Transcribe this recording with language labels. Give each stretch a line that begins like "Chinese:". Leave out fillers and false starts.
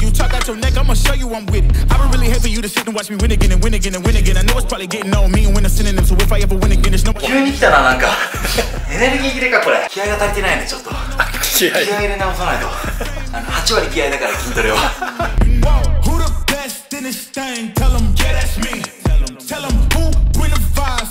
English: You talk out your neck, I'ma show you I'm with it. I've been really happy you to sit and watch me win again and win again and win again. I know it's probably getting old, me and winner synonyms. So if I ever win again, it's no more.
Japanese: 急に来たな、なんか。エネルギー切れか、これ。気合が足りてないね、ちょっと。気合入れ直さないと。あの、8割気合だから、筋トレは。
English: Who the best in this thing? Tell them, yeah, that's me. Tell them, who bring the fire?